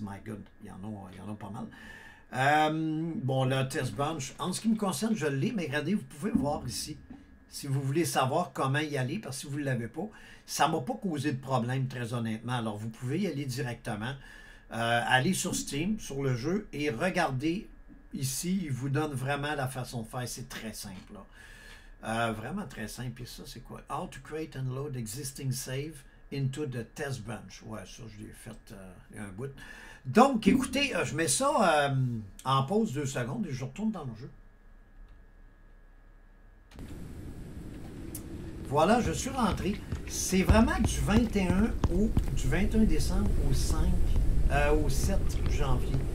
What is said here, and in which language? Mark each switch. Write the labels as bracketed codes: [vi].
[en] My God, [fr] il y en a pas mal. Bon, le test bench, en ce qui me concerne, je l'ai, mais regardez, vous pouvez voir ici, si vous voulez savoir comment y aller, parce que si vous ne l'avez pas, ça ne m'a pas causé de problème, très honnêtement. Alors, vous pouvez y aller directement, aller sur Steam, sur le jeu, et regarder ici, il vous donne vraiment la façon de faire. C'est très simple, là. Vraiment très simple. Et ça, c'est quoi? [en] How to create and load existing save into the test bench. [fr] Ouais, ça, je l'ai fait il y a un bout. Donc, écoutez, je mets ça en pause 2 secondes et je retourne dans le jeu. Voilà, je suis rentré. C'est vraiment du 21 au du 21 décembre au 5 au 7 janvier.